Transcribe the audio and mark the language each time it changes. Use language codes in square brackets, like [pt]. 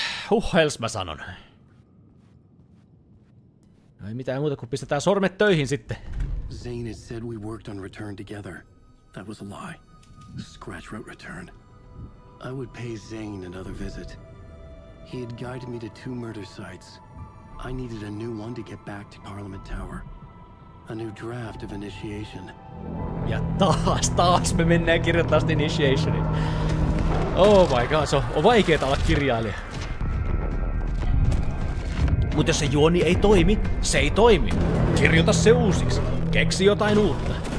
[fi] Uhels mä sanon. No ei mitään muuta kuin pistetään sormet töihin sitten. [en] Zane has said we worked on Return together. That was a lie. Scratch wrote Return. I would pay Zane another visit. He had guided me to two murder sites. I needed a new one to get back to Parliament Tower. A new draft of initiation. [fi] Ja taas me mennään kirjoittamaan sitä initiationin. [en] Oh my god, [fi] se on vaikeeta olla kirjailija. Mut jos se juoni ei toimi, se ei toimi. Kirjoita se uusiksi. Keksi jotain uutta.